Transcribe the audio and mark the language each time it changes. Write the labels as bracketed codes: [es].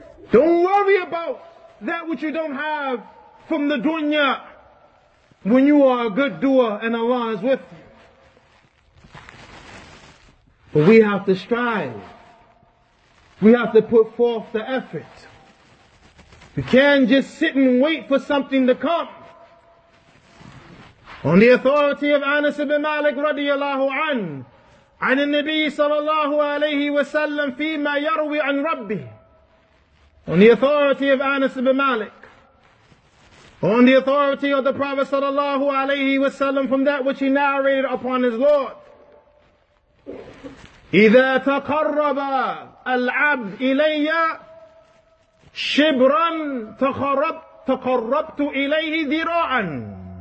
[en] Don't worry about that which you don't have from the dunya when you are a good doer and Allah is with you. But we have to strive. We have to put forth the effort. We can't just sit and wait for something to come. On the authority of Anas ibn Malik radiyallahu anhu, [ar] عن النبي صلى الله عليه وسلم فيما يروي عن ربي. [en] On the authority of Anas ibn Malik, on the authority of the Prophet صلى الله عليه وسلم, from that which he narrated upon his Lord. [ar] إذا تقرب العبد إلي شبرا تقربت إليه ذراعا.